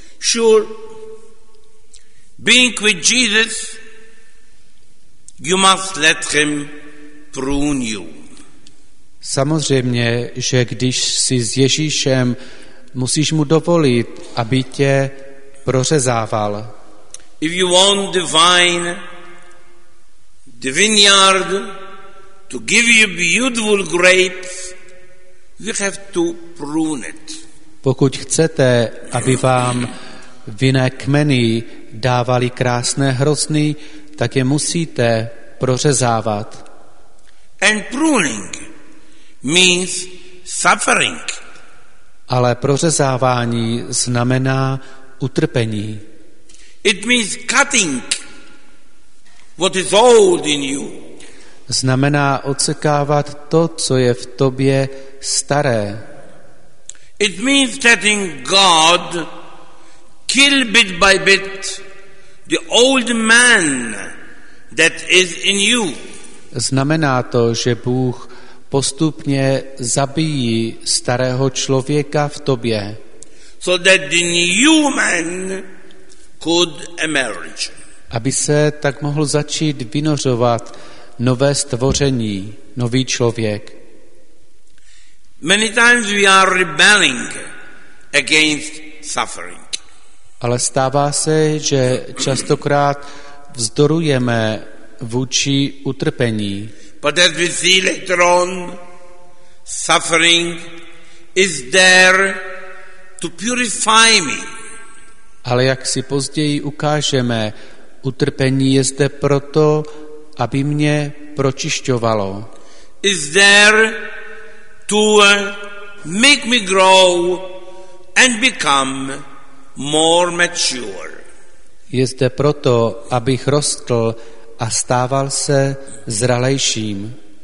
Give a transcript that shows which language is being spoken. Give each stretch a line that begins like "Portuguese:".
English: Sure, being with Jesus, you must let him prune you.
Czech: Samozřejmě, že když jsi s Ježíšem, musíš mu dovolit, aby tě prořezával.
English: If you want the vine, the vineyard, to give you beautiful grapes, you have to prune it.
Czech: Pokud chcete, aby vám vinné kmeny dávaly krásné hrozny, tak je musíte prořezávat.
English: And pruning means suffering.
Czech: Ale prořezávání znamená utrpení.
English: It means cutting what is old in you.
Czech: Znamená odsekávat to, co je v tobě staré.
English: It means letting God kill bit by bit the old man that is in you.
Czech: Znamená to, že Bůh postupně zabíjí starého člověka v tobě.
English: So that the new man could emerge.
Czech: Aby se tak mohl začít vynořovat nové stvoření, nový člověk.
English: Many times we are rebelling against suffering.
Czech: Ale stává se, že častokrát vzdorujeme vůči utrpení.
English: But as we see later on, suffering is there to purify me.
Czech: Ale jak si později ukážeme, utrpení je zde proto, aby mě pročišťovalo.
English: Is there to make me grow and become more mature.
Czech: Je zde proto, abych rostl a stával se zralejším.